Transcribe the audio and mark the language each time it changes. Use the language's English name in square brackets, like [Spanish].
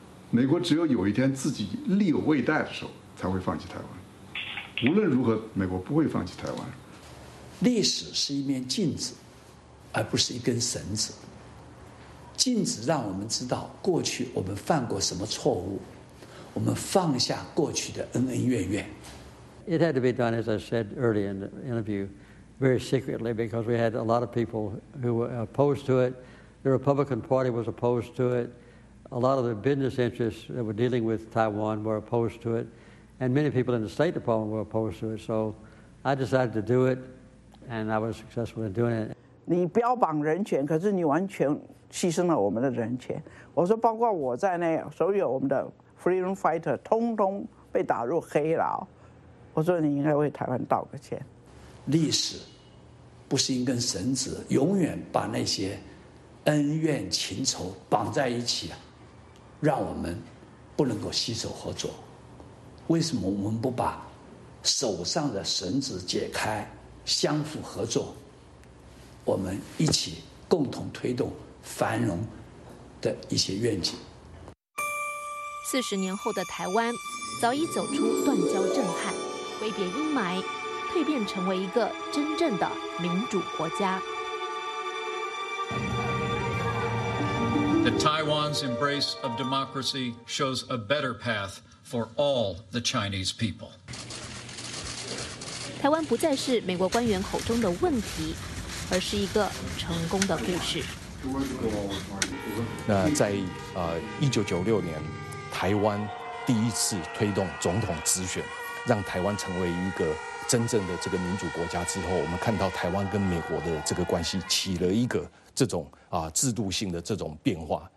[Chinese] 美国只有有一天自己力有未逮的时候才会放弃台湾，无论如何美国不会放弃台湾。历史是一面镜子，而不是一根绳子。禁止让我们知道过去我们犯过什么错误，我们放下过去的恩恩怨怨。 [English] It had to be done, as I said earlier in the interview, very secretly because we had a lot of people who were opposed to it. The Republican Party was opposed to it. A lot of the business interests that were dealing with Taiwan were opposed to it, and many people in the State Department were opposed to it. So I decided to do it, and I was successful in doing it. [Chinese] 你标榜人权，可是你完全牺牲了我们的人权。我说包括我在内，所有我们的 [English] freedom fighter [Chinese] 通通被打入黑牢。我说你应该为台湾道个歉。历史不是一根绳子，永远把那些恩怨情仇绑在一起，让我们不能够携手合作。为什么我们不把手上的绳子解开，相互合作，我们一起共同推动繁荣的一些愿景。四十年后的台湾早已走出断交震撼、挥别阴霾，蜕变成为一个真正的民主国家。 [English] The Taiwan's embrace of democracy shows a better path for all the Chinese people. [Chinese] 台湾不再是美国官员口中的问题，而是一个成功的故事。那在1996年，台湾第一次推动总统直选，让台湾成为一个真正的这个民主国家之后，我们看到台湾跟美国的这个关系起了一个这种制度性的这种变化。